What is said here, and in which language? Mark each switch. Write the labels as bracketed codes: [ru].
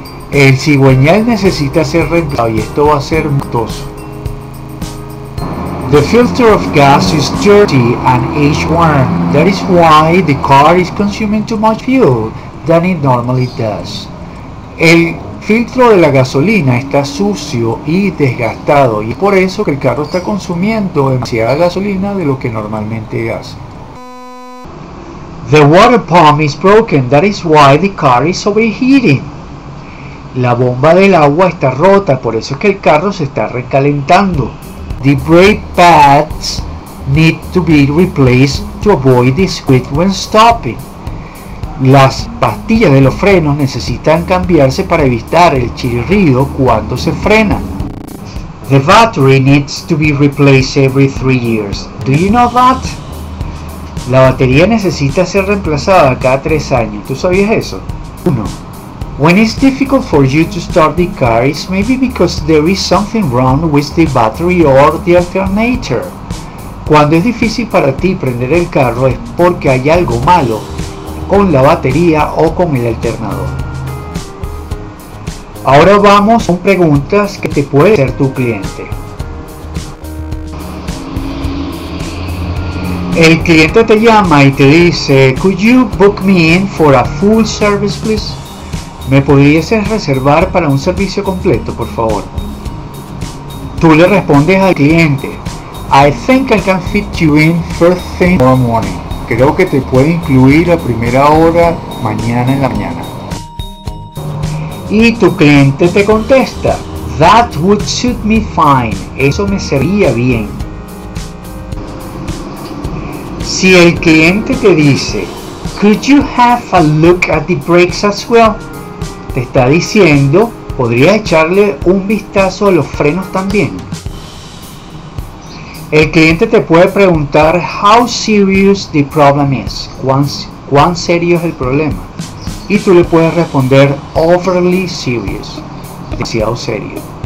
[es] El cigüeñal necesita ser reemplazado y esto va a ser costoso. [en] The filter of gas is dirty and aged worn. That is why the car is consuming too much fuel than it normally does. [es] El filtro de la gasolina está sucio y desgastado y es por eso que el carro está consumiendo demasiada gasolina de lo que normalmente hace. [en] The water pump is broken. That is why the car is overheating. [es] La bomba del agua está rota, por eso es que el carro se está recalentando. [en] The brake pads need to be replaced to avoid the squeak when stopping. [es] Las pastillas de los frenos necesitan cambiarse para evitar el chirrido cuando se frena. [en] The battery needs to be replaced every 3 years. Do you know that? [es] La batería necesita ser reemplazada cada 3 años. ¿Tú sabías eso? 1. [en] When it's difficult for you to start the car, it's maybe because there is something wrong with the battery or the alternator. [es] Cuando es difícil para ti prender el carro es porque hay algo malo con la batería o con el alternador. Ahora vamos con preguntas que te puede hacer tu cliente. El cliente te llama y te dice, [en] "Could you book me in for a full service, please?" [es] ¿Me pudieses reservar para un servicio completo, por favor? Tú le respondes al cliente, [en] "I think I can fit you in first thing tomorrow morning." [es] Creo que te puedo incluir a primera hora mañana en la mañana. Y tu cliente te contesta, [en] "That would suit me fine." [es] Eso me sería bien. Si el cliente te dice, [en] "Could you have a look at the brakes as well?" [es] Te está diciendo, ¿podría echarle un vistazo a los frenos también? El cliente te puede preguntar, [en] "How serious the problem is?" [es] ¿Cuán serio es el problema? Y tú le puedes responder, [en] "Overly serious." [es] Demasiado serio.